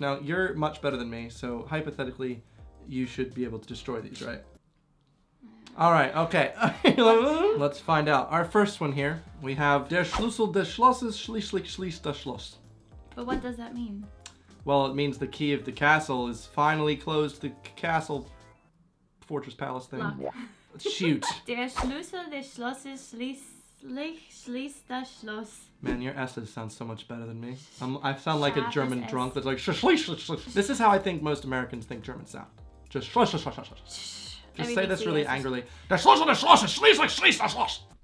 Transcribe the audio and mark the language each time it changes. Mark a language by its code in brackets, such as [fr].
[en] Now, you're much better than me, so hypothetically, you should be able to destroy these, right? All right, okay. Let's find out. Our first one here, we have [de] Der Schlüssel des Schlosses schließlich schließt das Schloss. [en] But what does that mean? Well, it means the key of the castle is finally closed. The castle, fortress, palace thing. Lock. Shoot. [de] Der Schlüssel des Schlosses schließlich schließt das Schloss. [en] Man, your S's sound so much better than me. I sound like a German drunk that's like schließlich. This is how I think most Americans think German sound. Just schließlich. Just say this really angrily. [de] Der Schlüssel des Schlosses schließlich schließt das Schloss.